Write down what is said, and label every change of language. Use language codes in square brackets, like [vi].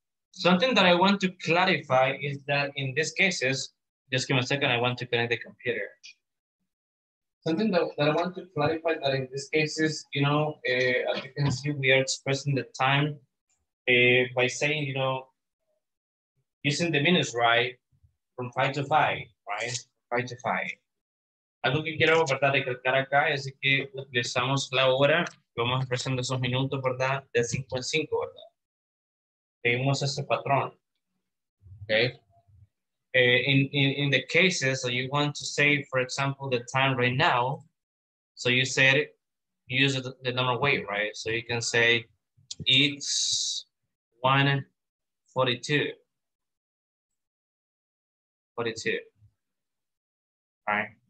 [en] Something that I want to clarify is that in these cases, just give me a second, I want to connect the computer. Something that I want to clarify that in this case is, you know, as you can see, we are expressing the time by saying, you know, using the minutes, right? From 5 to 5, right? 5 to 5. [es] Algo que quiero, verdad, recalcar acá es que utilizamos la hora, vamos expresando esos minutos, verdad, de 5 en 5, verdad? Seguimos ese patrón, okay? [en] In the cases that you want to say, for example, the time right now, so you said use the normal way, right? So you can say it's 1:42. All right.